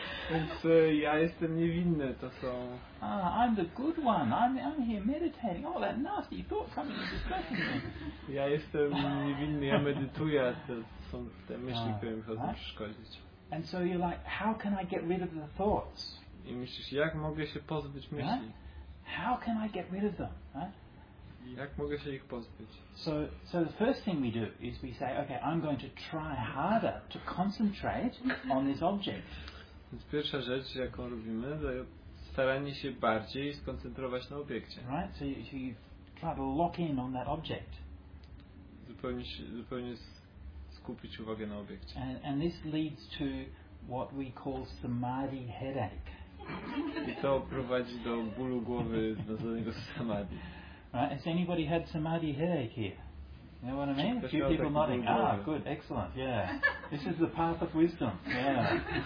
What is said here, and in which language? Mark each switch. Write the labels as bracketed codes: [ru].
[pl] Więc ja jestem niewinny. To są. [en] I'm the good one. I'm here meditating. Oh, that nasty thought coming to distract me. [pl] Ja jestem niewinny. Ja medytuję. To są te myśli, które mi chcą przeszkodzić. [en] And so you're like, how can I get rid of the thoughts? [pl] I myślisz, jak mogę się pozbyć myśli? [en] Right? How can I get rid of them? Right? [pl] Jak mogę się ich pozbyć? [en] So the first thing we do is we say, okay, I'm going to try harder to concentrate on this object. [pl] Więc pierwsza rzecz, jaką robimy, to staranie się bardziej skoncentrować na obiekcie. [en] Right? So you try to lock in on that object. [pl] Zupełnie skupić uwagę na obiekcie. [en] And this leads to what we call samadhi headache. [pl] I to prowadzi do bólu głowy związanego z samadhi. [en] Right, has anybody had samadhi headache here? You know what I mean? A few people nodding. Ah, good, excellent, yeah. This is the path of wisdom, yeah.